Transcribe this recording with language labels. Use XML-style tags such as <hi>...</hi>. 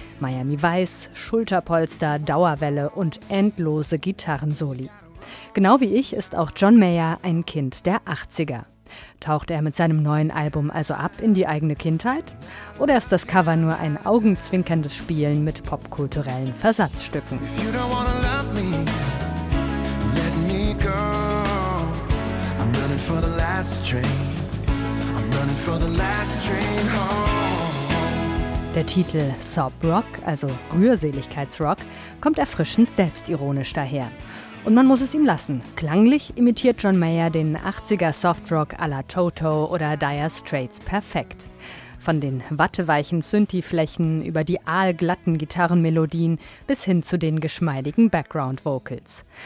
<de>Miami Weiß, Schulterpolster, Dauerwelle und endlose Gitarrensoli. Genau wie ich ist auch John Mayer ein Kind der 80er. Taucht er mit seinem neuen Album also ab in die eigene Kindheit? Oder ist das Cover nur ein augenzwinkerndes Spielen mit popkulturellen Versatzstücken?</de> <en>If you don't wanna love me, let me go. I'm running for the last train. I'm running for the last train home.</en> <de>Der Titel Sob Rock, also Rührseligkeitsrock, kommt erfrischend selbstironisch daher. Und man muss es ihm lassen. Klanglich imitiert John Mayer den 80er Softrock à la Toto oder Dire Straits perfekt. Von den watteweichen Synthi-Flächen über die aalglatten Gitarrenmelodien bis hin zu den geschmeidigen Background-Vocals.</de>